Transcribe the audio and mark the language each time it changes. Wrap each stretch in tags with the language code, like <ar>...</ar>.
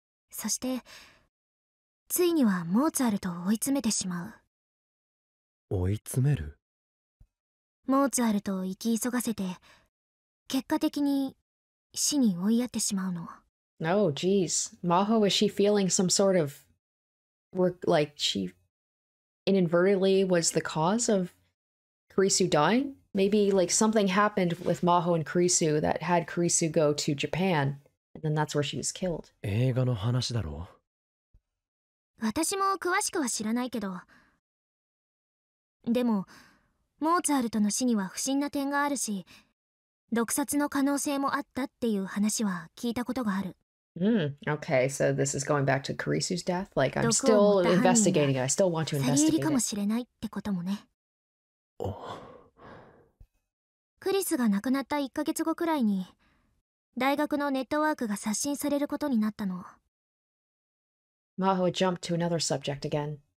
<ja>そして、ついにはモーツァルトを追い詰めてしまう。追い詰める? モーツァルトを生き急がせて、結果的に死に追いやってしまうの。</ja> <en>Oh, geez. Maho, is she feeling some sort of... like, she inadvertently was the cause of Kirisu dying? Maybe, like, something happened with Maho and Kirisu that had Kirisu go to Japan, and then that's where she was killed.</en> <ja>映画の話だろ? 私も詳しくは知らないけど。でも、モーツァルトの死には不審な点があるし、毒殺の可能性もあったっていう話は聞いたことがある。</ja> <en>Okay, so this is going back to Kirisu's death. Like, I'm still investigating it. I still want to investigate it.</en> <ja>サリエリかもしれないってこともね。 Oh. クリスが亡くなった1ヶ月後くらいに大学のネットワークが刷新されることになったの。</ja> <en>Maho jumped to another subject again.</en>